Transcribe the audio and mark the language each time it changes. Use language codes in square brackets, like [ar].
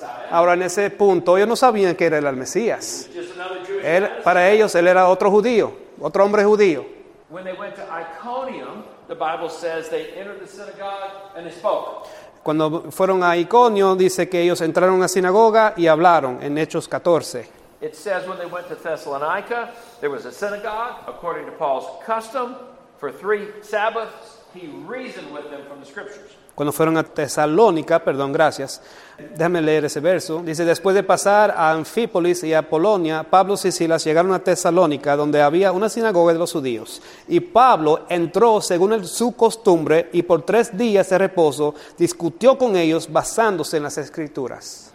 [es] Ahora, en ese punto, ellos no sabían que era el Mesías. Para ellos, él era otro judío, otro hombre judío. Cuando fueron a [en] Iconium, the Bible says they entered the synagogue and they spoke. [es] Cuando fueron a Iconio, dice que ellos entraron a sinagoga y hablaron en Hechos 14. [en] It says when they went to Thessalonica, there was a synagogue. According to Paul's custom, for three Sabbaths, he reasoned with them from the scriptures. [es] Cuando fueron a Tesalónica, perdón, gracias. Déjame leer ese verso. Dice, después de pasar a Anfípolis y a Polonia, Pablo y Silas llegaron a Tesalónica, donde había una sinagoga de los judíos. Y Pablo entró según su costumbre y por tres días de reposo discutió con ellos basándose en las escrituras.